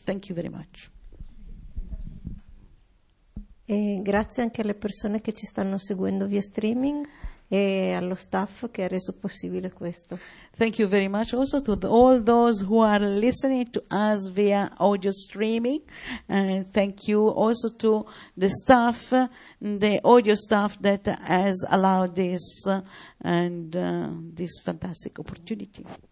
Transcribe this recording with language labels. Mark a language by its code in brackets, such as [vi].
[en] Thank you very much. [it] E grazie anche alle persone che ci stanno seguendo via streaming e allo staff che ha reso possibile questo. [en] Thank you very much also to all those who are listening to us via audio streaming, and thank you also to the staff, the audio staff that has allowed this and this fantastic opportunity.